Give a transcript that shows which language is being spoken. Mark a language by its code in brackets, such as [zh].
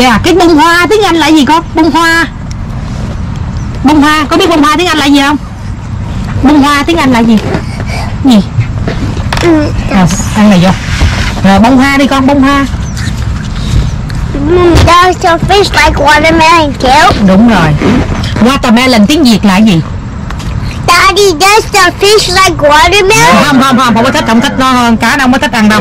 [vi] Yeah, cái bông hoa tiếng Anh là gì con? Bông hoa. Bông hoa, có biết bông hoa tiếng Anh là gì không? Bông hoa tiếng Anh là gì? Gì? Ăn này vô. Rồi bông hoa đi con, bông hoa. [en] Does a fish like watermelon too? [vi] Đúng rồi. Watermelon tiếng Việt là gì? [en] Daddy, does the fish like watermelon? [vi] Không, không có thích, không thích, [en] no, [vi] cá nào không có thích ăn đâu.